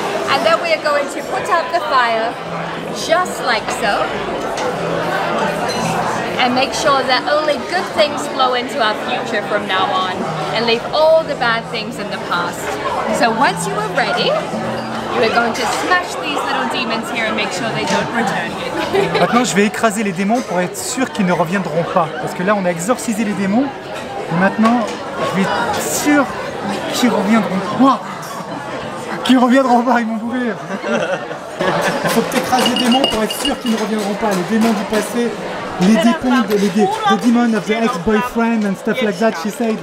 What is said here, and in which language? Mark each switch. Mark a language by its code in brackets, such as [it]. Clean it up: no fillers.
[en] And then we are going to put out the fire, just like so. And make sure that only good things flow into our future from now on. And leave all the bad things in the past. So once you are ready, you are going to smash these little demons here and make sure they don't return. [fr] Maintenant, je vais écraser les démons pour être sûr qu'ils ne reviendront pas. Parce que là, on a exorcisé les démons. Et maintenant, je vais être sûr qu'ils reviendront pas. Qu'ils reviendront pas, ils vont mourir. Il faut écraser les démons pour être sûr qu'ils ne reviendront pas. Les démons du passé [en] Lady Pink, the demon of the ex-boyfriend and stuff like that, she said.